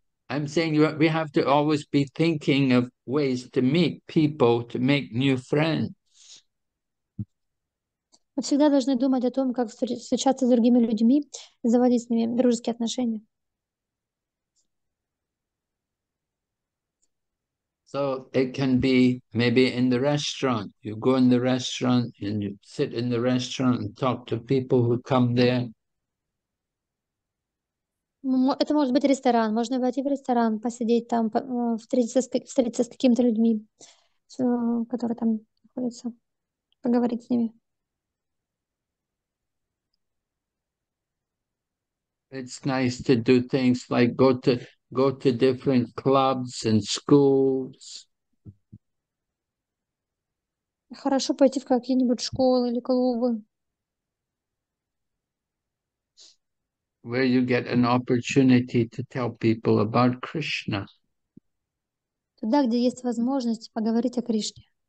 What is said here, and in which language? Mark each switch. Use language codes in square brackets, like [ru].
[en] I'm saying we have to always be thinking of ways to meet people, to make new friends. [ru] Мы всегда должны думать о том, как встречаться с другими людьми, заводить с ними дружеские отношения. [en] So it can be maybe in the restaurant. You go in the restaurant and you sit in the restaurant and talk to people who come there. [ru] Это может быть ресторан. Можно войти в ресторан, посидеть там, встретиться с какими-то людьми, которые там находятся, поговорить с ними. [en] It's nice to do things like go to different clubs and schools. [ru] Хорошо пойти в какие-нибудь школы или клубы. [en] Where you get an opportunity to tell people about Krishna. [ru] Туда, где есть возможность поговорить о Кришне.